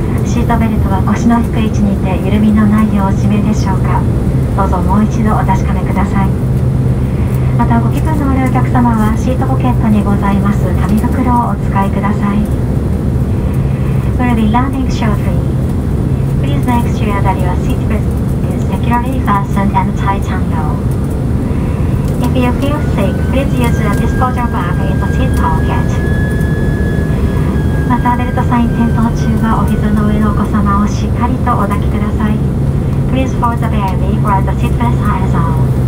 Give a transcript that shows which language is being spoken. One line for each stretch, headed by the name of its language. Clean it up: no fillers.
Japanese: シートベルトは腰の低い位置にて緩みのないようお締めでしょうか。どうぞもう一度お確かめください。またご気分のあるお客様はシートポケットにございます紙袋をお使いください。
English: We'll be landing shortly. Please make sure that your seat belt is securely fastened and tightened. If you feel sick, please use a disposable bag in the seat pocket.
Japanese: またベルトサイン点灯中はお膝の上のお子様をしっかりとお抱きください。
English: Please hold the baby while the seat belt is on.